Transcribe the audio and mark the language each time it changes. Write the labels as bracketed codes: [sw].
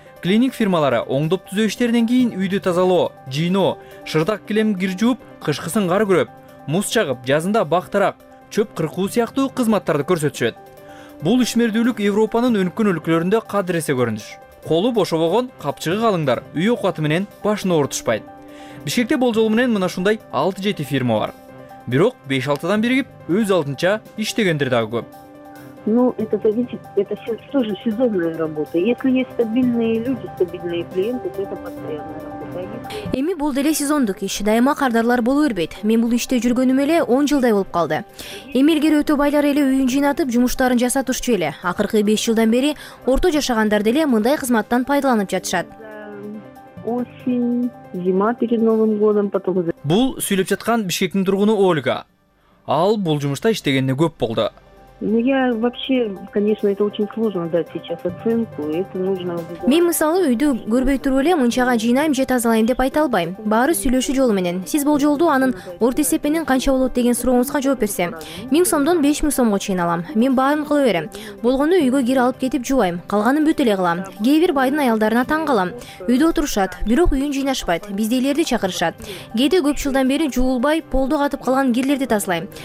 [ky] Клининг фирмалары оңдоп түзөө иштеринен кийин үйдү тазалоо, жыйноо, шырдак килем кир жууп, кышкысын кар күрөп, муз чагып, жазында бак тарак, чөп кыркуу сыяктуу кызматтарды көрсөтүшөт. Бул ишмердүүлүк Европанын өнүккөн өлкөлөрүндө кадыресе көрүнүш. Колу бошобогон капчыгы калыңдар үй окууаты менен башына оорутушпайт. Бишкекте болжол менен мына ушундай 6-7 фирма бар. Бирок 5-6дан биригип өз алдынча иштегендер дагы көп. [ru] Ну, это зависит, это тоже сезонная работа. Если есть стабильные люди, стабильные клиенты, то это постоянная работа. [ky] Эми бул деле сезондук иш, дайыма кардарлар боло бербейт. Мен бул иште жүргөнүм эле 10 жылдай болуп калды. Эми илгери өтө байлар эле үйүн жыйнатып, жумуштарын жасатышчу эле. Акыркы 5 жылдан бери орто жашагандар деле мындай кызматтан пайдаланып жатышат. [ru] Осень, зима перед Новым годом, потом... [ky] Бул сүйлөп жаткан Бишкектин тургуну Ольга. Ал бул жумушта иштегенине көп болду. [ru] Ну я вообще, конечно, это очень сложно дать сейчас оценку. Это нужно. [ky] Мен мисалы үйдү көрбөй туруп эле мунчага жыйнайм же тазалайм деп айта албайм. Баары сүйлөшүү жолу менен. Сиз болжолду анын орто эсепенин канча болот деген сурооңузга жооп берсем, 1000 сомдон 5000 сомго чейин алам. Мен баарын кыла берем. Болгону үйгө кир алып кетип жубайм. Калганын бүт эле кылам. Кээ бир байдын аялдарына таң калам. Үйдө отурушат, бирок үйүн жыйнашпайт. Биздейлерди чакырышат. Кээде көп жылдан бери жуулбай, полдо катып калган кирлерди тазалайм.